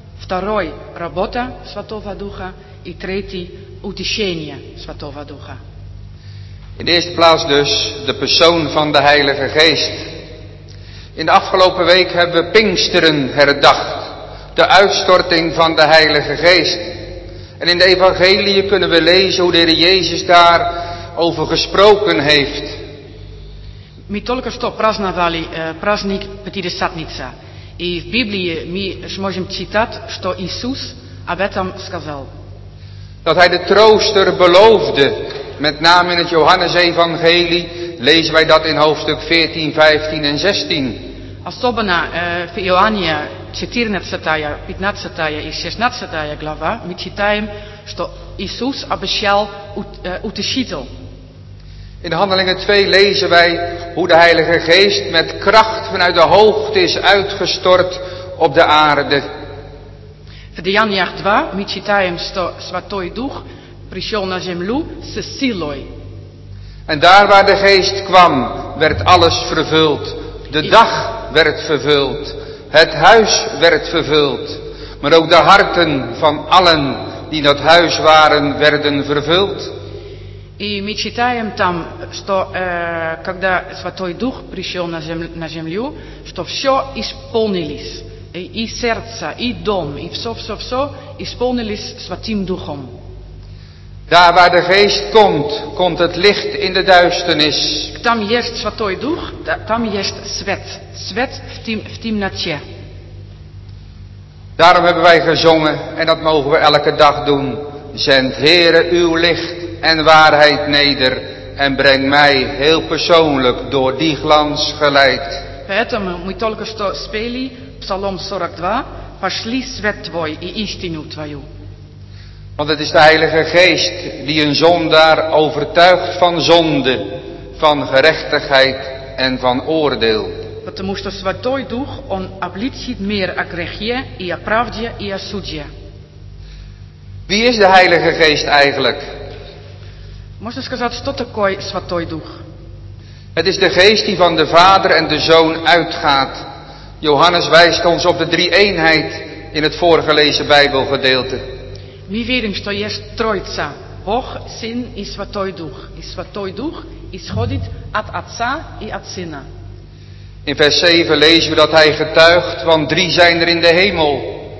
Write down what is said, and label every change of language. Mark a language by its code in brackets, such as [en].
[ru] Второй – работа Святого Духа. И третий – утешение Святого Духа. [nl] In de eerste plaats dus de persoon van de Heilige Geest. In de afgelopen week hebben we Pinksteren herdacht. De uitstorting van de Heilige Geest. En in de evangelie kunnen we lezen hoe de Heer Jezus daar over gesproken heeft. [ru] Мы только что праздновали праздник Пятидесятницы. И в Библии мы сможем читать, что Иисус об этом сказал. [nl] Dat hij de trooster beloofde. Met name in het Johannesevangelie lezen wij dat in hoofdstuk 14, 15 en 16. [ru] Особенно в Иоанне 14, 15 и 16 глава мы читаем, что Иисус обещал утешитель. [nl] In Handelingen 2 lezen wij hoe de Heilige Geest met kracht vanuit de hoogte is uitgestort op de aarde. In Handelingen 2 [ru] мы читаем, что Святой Дух пришел на землю с силой. [nl] En daar waar de Geest kwam, werd alles vervuld. De dag werd vervuld. Het huis werd vervuld. Maar ook de harten van allen die in dat huis waren, werden vervuld. [ru] И мы читаем там, что когда Святой Дух пришел на землю, что все исполнилось. И сердце, и дом, и все-все-все исполнились Святым Духом. [nl] Daar waar de Geest komt, komt het licht in de duisternis. [ru] Там есть Святой Дух, там есть свет. Свет в темноте. [nl] Daarom hebben wij gezongen, en dat mogen we elke dag doen. Zend Heere uw licht en waarheid neder en breng mij heel persoonlijk door die glans geleid. [ru] Поэтому мы только что спели Псалом 42, пошли свет твой и истину твою. [nl] Want het is de Heilige Geest die een zondaar overtuigt van zonde, van gerechtigheid en van oordeel. [ru] Потому что Святой Дух он обличит мир о грехе и о правде и о суде. [nl] Wie is de Heilige Geest eigenlijk? [ru] Можно сказать, что такое Святой Дух? [nl] Het is de Geest die van de Vader en de Zoon uitgaat. Johannes wijst ons op de drie eenheid in het voorgelezen Bijbelgedeelte. [ru] Мы верим, что есть Троица, Бог, Сын и Святой Дух. И Святой Дух исходит от Отца и от Сына. [nl] In vers 7 lezen we dat Hij getuigt, want drie zijn er in de hemel.